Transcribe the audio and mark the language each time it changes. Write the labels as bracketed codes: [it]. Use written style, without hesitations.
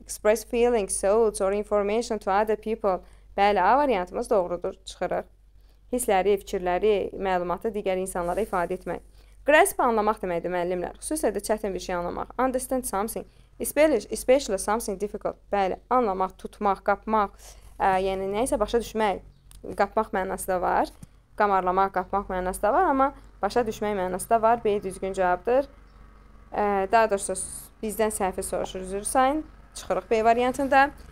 [en] Express feelings, thoughts or information to other people. [az] Bəli, A variantımız doğrudur, çıxırıq. Hissləri, fikirləri, məlumatı digər insanlara ifadə etmək. Grasp anlamaq deməkdir müəllimlər. Xüsusilə də çətin bir şey anlamaq. [en] Understand something. Especially something difficult. [az] Bəli, anlamaq, tutmaq, qapmaq, yəni nəyisə başa düşmək, qapmaq mənası da var. Qamarlamaq, qapmaq mənası da var, amma başa düşmək mənası da var. B düzgün cavabdır. Daha doğrusu bizdən səhvi soruşur, üzr sayın. Çıxırıq B variantında.